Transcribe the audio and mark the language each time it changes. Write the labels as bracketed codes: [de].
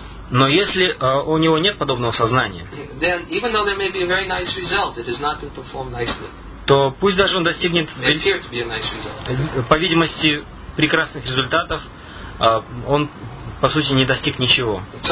[ru] Но если у него нет подобного сознания, [en] then, even though there may be a very nice result, it has not been performed nicely, [ru] то пусть даже он достигнет по видимости прекрасных результатов, он, по сути, не достиг ничего.